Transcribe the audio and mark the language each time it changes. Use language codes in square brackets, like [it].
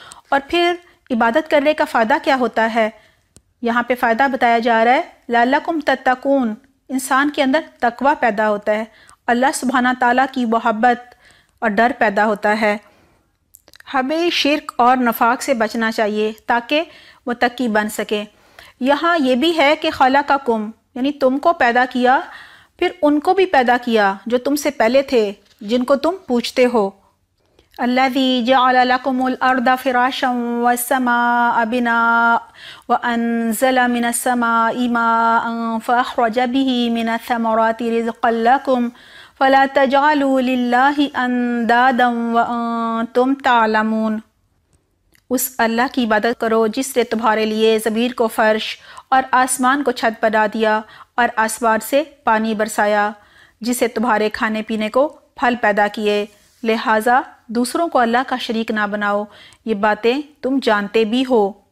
[ur] اور پھر عبادت کرنے کا فائدہ کیا ہوتا ہے, یہاں پہ فائدہ بتایا جا رہا ہے [ar] لَعَلَّكُمْ تَتَّقُونَ, [ur] انسان کے اندر تقویٰ پیدا ہوتا ہے, اللہ سبحانہ تعالیٰ کی محبت اور ڈر پیدا ہوتا ہے. ہمیں شرک اور نفاق سے بچنا چاہیے تاکہ متقی بن سکیں. یہاں یہ بھی ہے کہ خلقکم, یعنی تم کو پیدا کیا, پھر ان کو بھی پیدا کیا جو تم سے پہلے تھے, جن کو تم پوچھتے ہو. [ar] الذي جعل لكم الارض فراشا والسماء بناء وانزل من السماء ماء فاخرج به من الثمرات رزقا لكم فلا تجعلوا لله اندادا وانتم تعلمون. [ur] اس اللہ کی عبادت کرو جس نے تمہارے لیے زمین کو فرش اور آسمان کو چھت بنا دیا اور آسمان سے پانی برسایا, جسے تمہارے کھانے پینے کو پھل پیدا کیے, لہذا دوسروں کو اللہ کا شریک نہ بناؤ, یہ باتیں تم جانتے بھی ہو.